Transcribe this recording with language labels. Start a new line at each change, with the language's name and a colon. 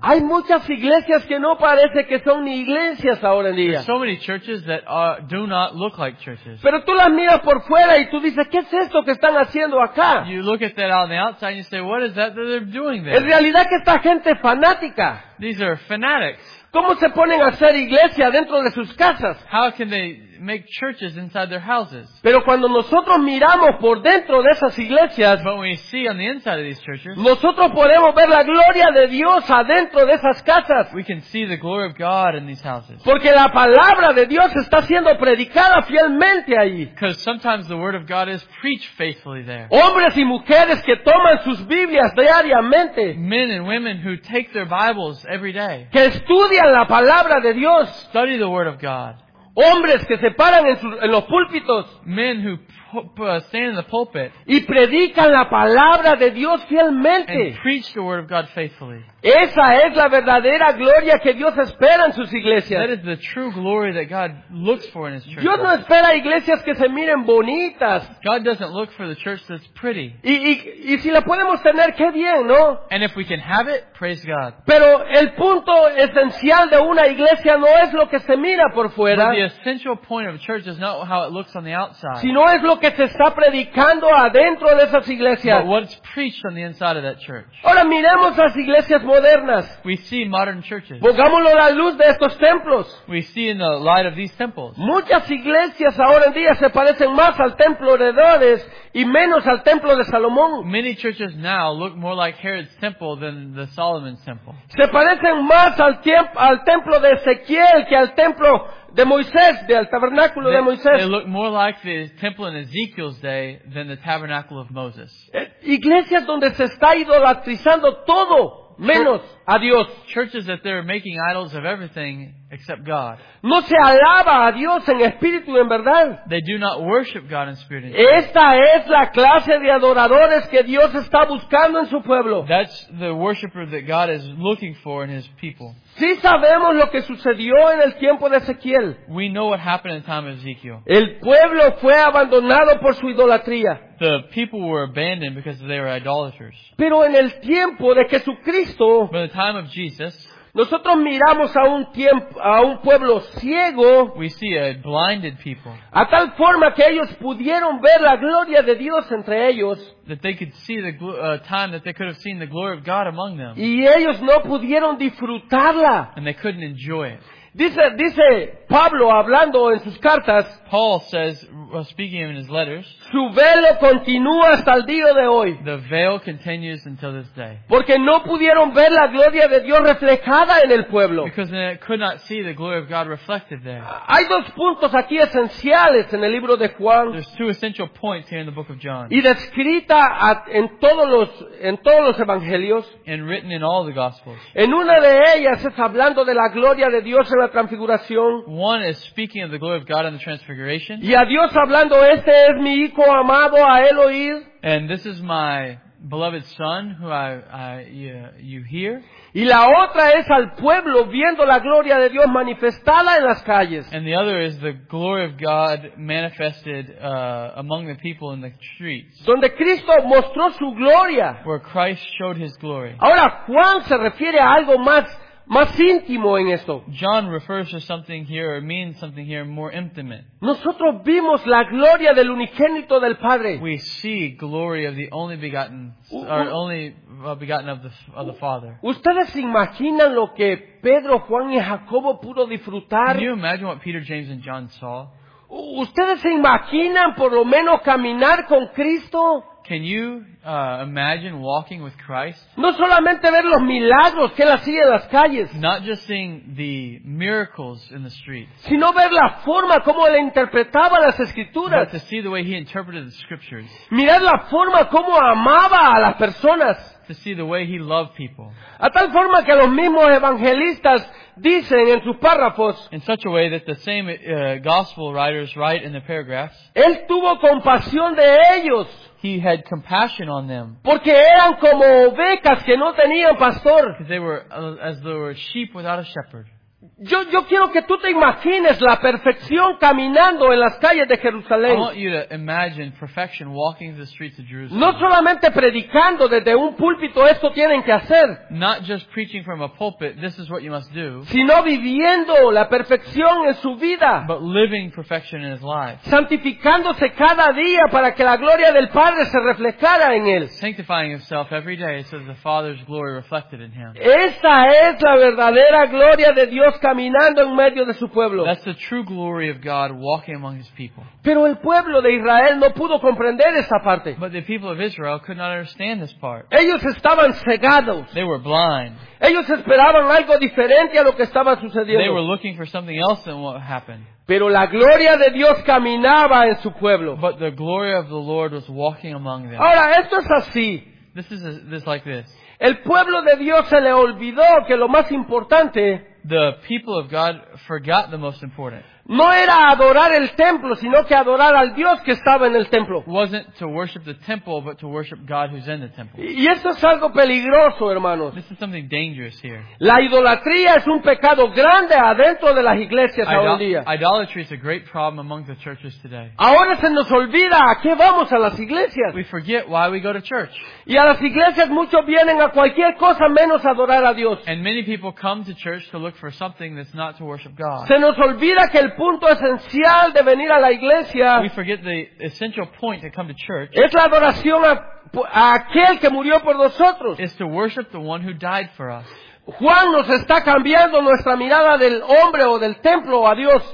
Spanish: Hay muchas iglesias que no parece que son ni iglesias ahora en día.
English: There's so many churches that do not look like churches.
Spanish: Pero tú las miras por fuera y tú dices, ¿qué es esto que están haciendo acá?
English: You look at that on the outside and you say, what is that that they're doing there?
Spanish: En realidad que esta gente fanática.
English: These are fanatics.
Spanish: ¿Cómo se ponen a hacer iglesia dentro de sus casas?
English: How can they make churches inside their houses?
Spanish: Pero cuando nosotros miramos por dentro de esas iglesias,
English: but when we see on the inside of these churches,
Spanish: nosotros podemos ver la gloria de Dios adentro de esas casas.
English: We can see the glory of God in these houses.
Spanish: Porque la palabra de Dios está siendo predicada fielmente allí.
English: Because sometimes the word of God is preached faithfully there.
Spanish: Hombres y mujeres que toman sus Biblias diariamente.
English: Men and women who take their Bibles every day.
Spanish: Que estudian la palabra de Dios.
English: Study the word of God.
Spanish: Hombres que se paran en los púlpitos.
English: Men who stand in the pulpit.
Spanish: Y predican la palabra de Dios fielmente.
English: And preach the word of God faithfully.
Spanish: Esa es la verdadera gloria que Dios espera en sus iglesias.
English: That is the true glory that God looks for in His church.
Spanish: Dios no espera iglesias que se miren bonitas.
English: God doesn't look for the church that's pretty.
Spanish: Y si la podemos tener, qué bien, ¿no?
English: And if we can have it, praise God.
Spanish: Pero el punto esencial de una iglesia no es lo que se mira por fuera.
English: But the essential point of a church is not how it looks on the outside.
Spanish: Sino es lo que se está predicando adentro de esas iglesias.
English: But what's preached on the inside of that church.
Spanish: Ahora miremos las iglesias modernas.
English: We see modern churches.
Spanish: Pongámoslo a la luz de estos templos.
English: We see in the light of these temples.
Spanish: Muchas iglesias ahora en día se parecen más al templo de Herodes y menos al templo de Salomón.
English: Many churches now look more like Herod's temple than the Solomon's temple.
Spanish: Se parecen más al templo de Ezequiel que al templo de Moisés, del tabernáculo de Moisés.
English: They look more like the temple in Ezekiel's day than the tabernacle of Moses.
Spanish: Iglesias donde se está idolatrizando todo menos a Dios.
English: Churches that they're making idols of everything except God.
Spanish: No se alaba a Dios en espíritu y en verdad.
English: They do not worship God in spirit and truth.
Spanish: Esta es la clase de adoradores que Dios está buscando en su pueblo.
English: That's the worshiper that God is looking for in his people.
Spanish: Sí sabemos lo que sucedió en el tiempo de Ezequiel.
English: We know what happened in the time of Ezekiel.
Spanish: El pueblo fue abandonado por su idolatría.
English: The people were abandoned because they were idolaters.
Spanish: Pero en el tiempo de Jesucristo,
English: but in the time of Jesus,
Spanish: nosotros miramos a un tiempo, a un pueblo ciego.
English: We see a blinded people.
Spanish: A tal forma que ellos pudieron ver la gloria de Dios entre ellos.
English: That they could see the time that they could have seen the glory of God among them.
Spanish: Y ellos no pudieron disfrutarla.
English: And they couldn't enjoy it.
Spanish: Dice Pablo hablando en sus cartas.
English: Paul says, speaking in his letters,
Spanish: su velo continúa hasta el día de hoy.
English: The veil continues until this day.
Spanish: Porque no pudieron ver la gloria de Dios reflejada en el pueblo.
English: Because they could not see the glory of God reflected there.
Spanish: Hay dos puntos aquí esenciales en el libro de Juan.
English: There's two essential points here in the book of John.
Spanish: Y descrita en todos los evangelios.
English: And written in all the gospels.
Spanish: En una de ellas es hablando de la gloria de Dios en la transfiguración.
English: One is speaking of the glory of God in the transfiguration.
Spanish: Y a Dios hablando, este es mi hijo amado, a él oír.
English: And this is my beloved son who you hear.
Spanish: Y la otra es al pueblo viendo la gloria de Dios manifestada en las calles.
English: And the other is the glory of God manifested among the people in the streets.
Spanish: Donde Cristo mostró su gloria.
English: Where Christ showed his glory.
Spanish: Ahora Juan se refiere a algo más íntimo en esto.
English: John refers to something here, or means something here, more intimate.
Spanish: Nosotros vimos la gloria del unigénito del Padre.
English: We see glory of the only begotten, or only begotten of the Father.
Spanish: ¿Ustedes imaginan lo que Pedro, Juan y Jacobo pudo disfrutar?
English: Can you imagine what Peter, James, and John saw?
Spanish: ¿Ustedes se imaginan por lo menos caminar con Cristo?
English: Can you imagine walking with Christ?
Spanish: No solamente ver los milagros que él hacía en las calles.
English: Not just seeing the miracles in the streets.
Spanish: Sino ver la forma como él interpretaba las escrituras.
English: But to see the way he interpreted the scriptures.
Spanish: Mirar la forma como amaba a las personas.
English: To see the way he loved people.
Spanish: A tal forma que los mismos evangelistas dicen en sus párrafos.
English: In such a way that the same gospel writers write in the paragraphs.
Spanish: Él tuvo compasión de ellos.
English: He had compassion on them.
Spanish: Porque eran como ovejas que no tenían pastor.
English: Because they were as though were sheep without a shepherd.
Spanish: Yo quiero que tú te imagines la perfección caminando en las calles de Jerusalén.
English: I want you to imagine perfection walking the streets of Jerusalem.
Spanish: No solamente predicando desde un púlpito, esto tienen que hacer.
English: Not just preaching from a pulpit, this is what you must do.
Spanish: Sino viviendo la perfección en su vida.
English: But living perfection in his life.
Spanish: Santificándose cada día para que la gloria del Padre se reflejara en él.
English: Sanctifying himself every day so that the Father's glory reflected in him.
Spanish: Esa es la verdadera gloria de Dios caminando en medio de su pueblo.
English: That's the true glory of God walking among his people.
Spanish: Pero el pueblo de Israel no pudo comprender esa parte.
English: But the people of Israel could not understand this part.
Spanish: Ellos estaban cegados.
English: They were blind.
Spanish: Ellos esperaban algo diferente a lo que estaba sucediendo.
English: They were looking for something else than what happened.
Spanish: Pero la gloria de Dios caminaba en su pueblo.
English: But the glory of the Lord was walking among them.
Spanish: Ahora, esto es así.
English: This is like this.
Spanish: El pueblo de Dios se le olvidó que lo más importante,
English: the people of God forgot the most important.
Spanish: No era adorar el templo, sino que adorar al Dios que estaba en el templo.
English: Wasn't to worship the temple, but to worship God who's in the temple.
Spanish: Y esto es algo peligroso, hermanos.
English: This is something dangerous here.
Spanish: La idolatría es un pecado grande adentro de las iglesias hoy en día.
English: Idolatry is a great problem among the churches today.
Spanish: Ahora se nos olvida a qué vamos a las iglesias.
English: We forget why we go to church.
Spanish: Y a las iglesias muchos vienen a cualquier cosa menos adorar a Dios.
English: And many people come to church to look for something that's not to worship God.
Spanish: Se nos olvida que el punto esencial de venir a la iglesia,
English: we forget the essential point to come to church,
Spanish: es la adoración a aquel que murió por nosotros,
English: is to worship the one who died for us.
Spanish: Juan nos está cambiando nuestra mirada del hombre o del templo a Dios.